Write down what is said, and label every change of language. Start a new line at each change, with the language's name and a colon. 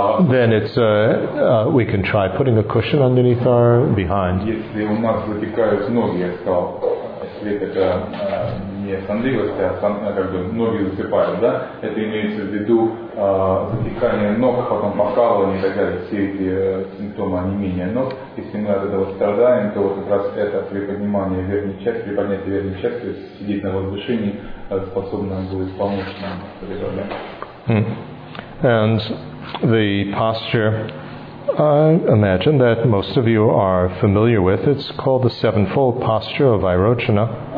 English: Then it's we can try putting a cushion underneath our behind.
Russian: Если у нас затекают ноги, я сказал, если это не не сонливость, а как бы ноги засыпают, да? Это имеется в виду затекание ног, потом покалывание и так далее, все эти симптомы онемения ног. Если мы от этого страдаем, то вот как раз это приподнимание верхней части, приподнятие верхней части, то есть сидеть на возвышении способно будет помочь нам в этой проблеме.
English: And the posture, I imagine that most of you are familiar with, it's called the Sevenfold Posture of Vairochana.